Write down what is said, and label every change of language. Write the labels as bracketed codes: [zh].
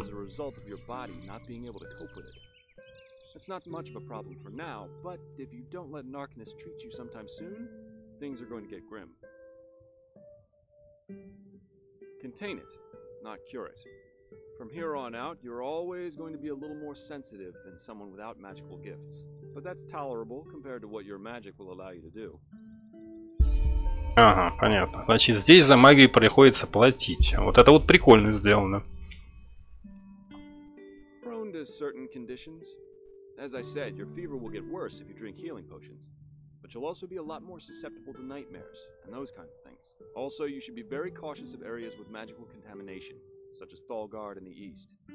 [en] As a result of your body not being able to cope with it. It's not much of a problem for now, but if you don't let an Arcanist treat you sometime soon, things are going to get grim. Contain it, not cure it. From here on out, you're always going to be a little more sensitive than someone without magical gifts. But that's tolerable compared to what your magic will allow you to do. [ru] Ага, понятно. Значит, здесь за магию приходится платить. Вот это вот прикольно сделано. [en] Prone to certain conditions. As I said, your fever will get worse if you drink healing potions. But you'll also be a lot more susceptible to nightmares and those kinds of things. Also, you should be very cautious of areas with magical contamination, such as Thalgard in the east.